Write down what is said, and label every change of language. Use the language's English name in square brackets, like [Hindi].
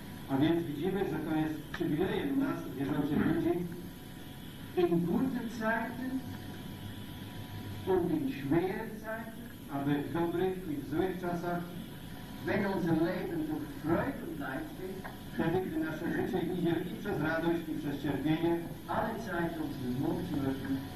[Polish] A więc widzimy, że to jest przywilejem nas, wierzących ludzi. [German] In guten Zeiten und in schweren Zeiten. [Polish] Aby w dobrych i w złych czasach. [German] Wenn unser Leben durch Freude und Leid geht. [Polish] Wtedy, gdy nasze życie idzie i przez radość, i przez cierpienie, ale zajmując w mocy rzeczy,